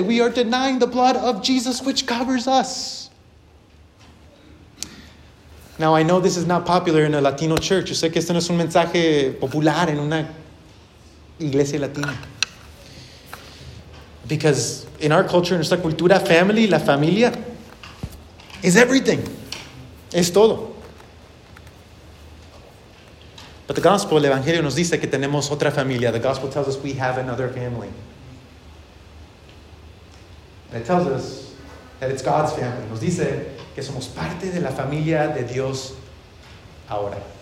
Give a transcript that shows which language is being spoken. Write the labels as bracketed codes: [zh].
[en] We are denying the blood of Jesus which covers us. Now, I know this is not popular in a Latino church. [es] Yo sé que este no es un mensaje popular en una iglesia latina. [en] Because in our culture, in [es] nuestra cultura, [en] family, [es] la familia, [en] is everything. [es] Es todo. [en] But the gospel, [es] el evangelio, nos dice que tenemos otra familia. [en] The gospel tells us we have another family. And it tells us that it's God's family. [es] Nos dice que somos parte de la familia de Dios ahora.